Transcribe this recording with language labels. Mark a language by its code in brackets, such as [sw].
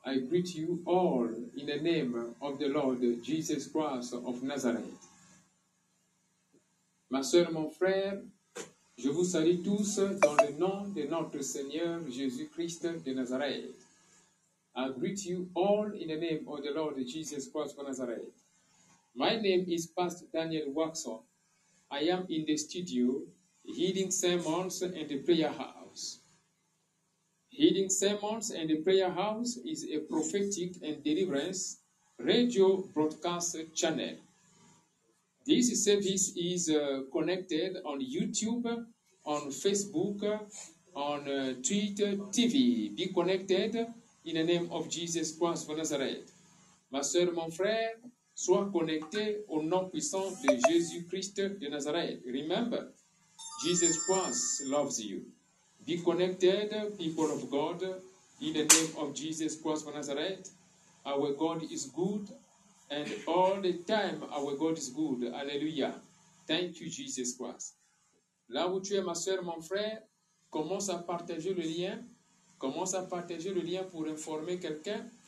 [en] I greet you all in the name of the Lord Jesus Christ of Nazareth. [fr] Ma soeur, mon frère, je vous salue tous dans le nom de notre Seigneur Jésus Christ de Nazareth. [en] I greet you all in the name of the Lord Jesus Christ of Nazareth. My name is Pastor Daniel Waxon. I am in the studio, Healing Sermons and the Prayer House. Healing Sermons and the Prayer House is a prophetic and deliverance radio broadcast channel. This service is connected on YouTube, on Facebook, on Twitter TV. Be connected in the name of Jesus Christ of Nazareth. Ma soeur, mon frère, sois connecté au nom puissant de Jésus Christ de Nazareth. Remember, Jesus Christ loves you. Be connected, people of God, in the name of Jesus Christ of Nazareth. Our God is good, and all the time our God is good. Alléluia. Thank you, Jesus Christ. [fr] Là où tu es, ma soeur, mon frère, commence à partager le lien. Commence à partager le lien pour informer quelqu'un.